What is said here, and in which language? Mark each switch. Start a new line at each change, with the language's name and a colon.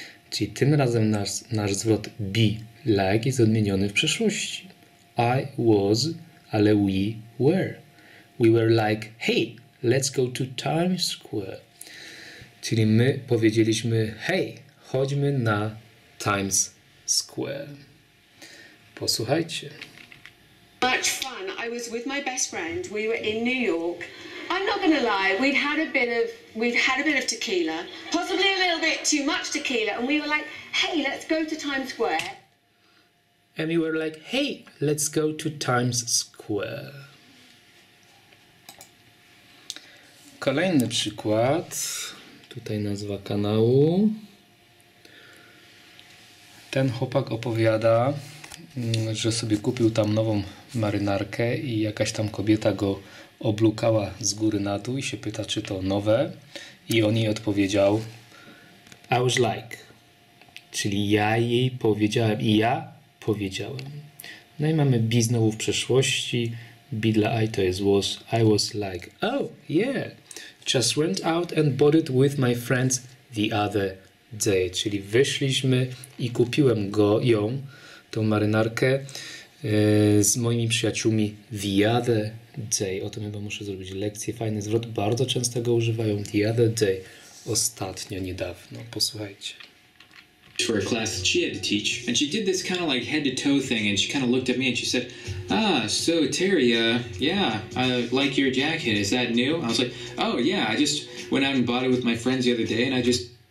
Polish: Czyli tym razem nasz zwrot be like jest odmieniony w przeszłości.
English: I was,
Polish: ale
English: we were. We were like, hey, let's go to Times Square.
Polish: Czyli my powiedzieliśmy,
English: hey,
Polish: chodźmy na Times Square. Posłuchajcie.
English: Much fun. I was with my best friend. We were in New York. I'm not gonna lie, we'd had a bit of tequila, possibly a little bit too much tequila, and we were like, hey, let's go to Times Square. And we were like, hey, let's go to Times Square.
Polish: Kolejny przykład. Tutaj nazwa kanału. Ten chłopak opowiada, że sobie kupił tam nową marynarkę i jakaś tam kobieta go oblukała z góry na dół i się pyta, czy to nowe. I on jej odpowiedział,
English: I was like.
Polish: Czyli ja jej powiedziałem i ja powiedziałem. No i mamy be znowu w przeszłości. Be dla I to jest was.
English: I was like, oh yeah. Just went out and bought it with my friends the other day.
Polish: Czyli wyszliśmy i kupiłem ją, tą marynarkę, z moimi przyjaciółmi
English: the other day.
Polish: O tym chyba muszę zrobić lekcję. Fajny zwrot. Bardzo często go używają.
English: The other day.
Polish: Ostatnio, niedawno. Posłuchajcie.
English: For a class that she had to teach. And she did this kind of like head to toe thing. And she kind of looked at me and she said, ah, so Terry, yeah, I like your jacket. Is that new? I was like, oh yeah, I just went out and bought it with my friends the other day and I just...